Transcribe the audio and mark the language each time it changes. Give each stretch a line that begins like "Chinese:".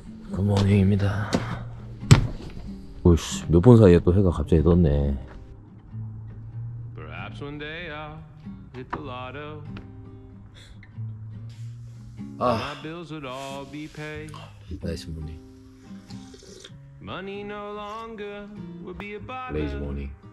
Korean: Good morning입니다. 오씨, 몇 분 사이에 또 해가 갑자기 떴네.
English: Perhaps one day I'll hit the lotto. My bills would all be paid.
Korean: 아, 레이즈 모닝.
English: Money no longer would be a bother.
Korean: 레이즈 모닝.